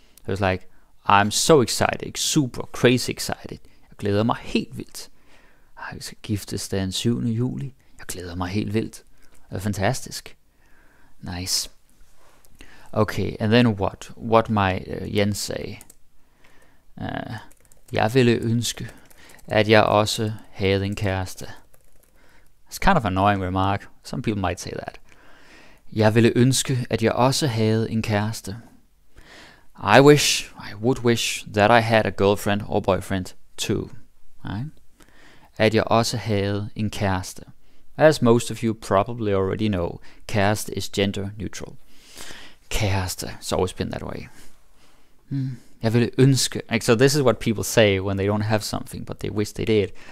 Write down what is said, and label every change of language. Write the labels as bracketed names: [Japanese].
[English] So it's like, I'm so excited, super crazy excited. [Danish] Jeg glæder mig helt vildt. Vi skal giftes den 7. juli. Jeg glæder mig helt vildt. Det er fantastisk. [English] Nice. Okay, and then what? What might Jens say? [Danish] Jeg ville ønske, at jeg også havde en kæreste. [English] It's kind of an annoying remark. Some people might say that. [Danish] Jeg ville ønske, at jeg også havde en kæreste. [English] I wish, I would wish, that I had a girlfriend or boyfriend too, right? [Danish] At jeg også havde en kæreste. [English] As most of you probably already know, kæreste is gender neutral. Kæreste, it's always been that way. [Danish] Jeg ville ønske, [English] like, so this is what people say when they don't have something, but they wish they did.